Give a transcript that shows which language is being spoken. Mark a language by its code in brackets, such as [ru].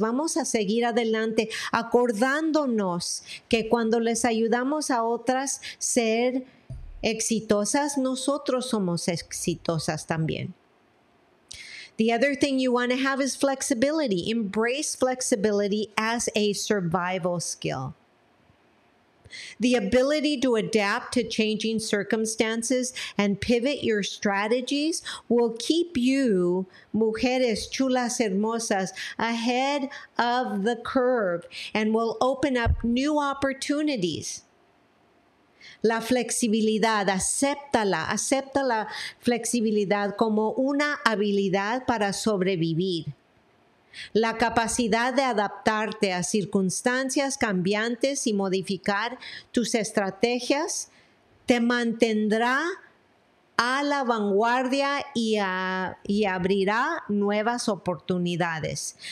[es] Vamos a seguir adelante acordándonos que cuando les ayudamos a otras ser exitosas, nosotros somos exitosas también. [en] The other thing you want to have is flexibility. Embrace flexibility as a survival skill. The ability to adapt to changing circumstances and pivot your strategies will keep you, [es] mujeres chulas hermosas, [en] ahead of the curve and will open up new opportunities. [es] La flexibilidad, acepta la flexibilidad como una habilidad para sobrevivir. La capacidad de adaptarte a circunstancias cambiantes y modificar tus estrategias te mantendrá a la vanguardia y abrirá nuevas oportunidades.